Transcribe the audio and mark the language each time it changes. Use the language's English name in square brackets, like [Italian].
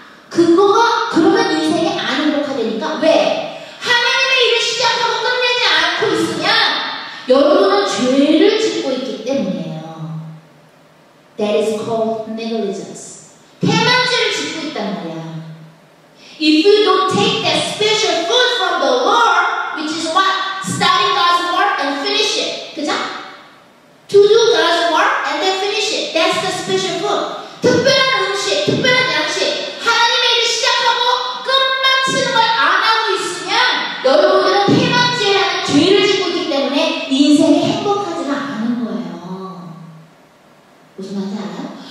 [Korean] 그거가 그러면 인생이 안 행복하다니까? 왜? 하나님의 일을 시작하고 끝내지 않고 있으면 여러분은 죄를 짓고 있기 때문이에요. [English] That is called negligence. [Korean] 태만죄를 짓고 있단 말이야. [English] If you don't take that special food from the Lord, which is what? Study God's work and finish it. [Korean] 그죠? [English] To do God's work and then finish it. That's the special food. [Korean] 특별한 음식, 특별한 양식. 하나님의 일을 시작하고 끝마치는 걸 안 하고 있으면 여러분들은 태만죄라는 죄를 짓고 있기 때문에 인생이 행복하지가 않은 거예요. 무슨 말인지 알아요?